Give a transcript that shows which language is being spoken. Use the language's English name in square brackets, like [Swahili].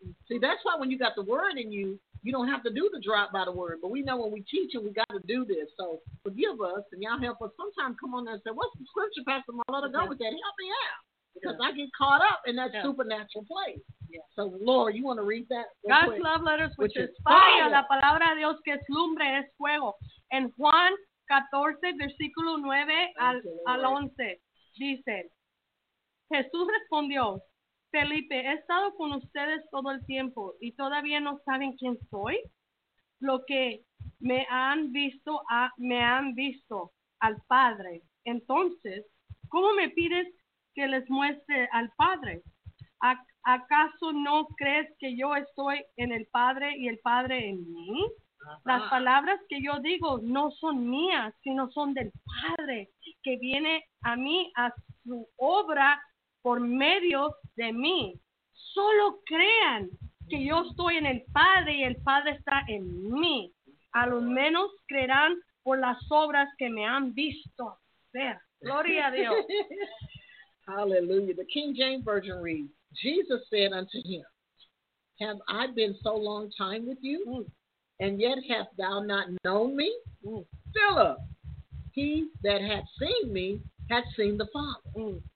[English] See, that's why when you got the word in you, you don't have to do the drop by the word. But we know when we teach and we got to do this. So forgive us and y'all help us. Sometimes come on there and say, what's the scripture, Pastor? I'll let her go with that. Help me out. Because I get caught up in that supernatural place. So, Laura, you want to read that? God's Love letters, which is fire. [Spanish] La palabra de Dios que es lumbre es fuego. [English] And [Spanish] Juan 14, versículo 9 al 11, dice, Jesús respondió, Felipe, he estado con ustedes todo el tiempo y todavía no saben quién soy. Lo que me han visto al Padre. Entonces, ¿cómo me pides que les muestre al Padre? ¿Acaso no crees que yo estoy en el Padre y el Padre en mí? Las palabras que yo digo no son mías, sino son del Padre que viene a mí a su obra por medio de mí. Solo crean que yo estoy en el Padre y el Padre está en mí. A lo menos creerán por las obras que me han visto hacer. Gloria a Dios. [English] Hallelujah. The King James Version reads, Jesus said unto him, have I been so long time with you, and yet hast thou not known me? Philip, he that hath seen me hath seen the Father.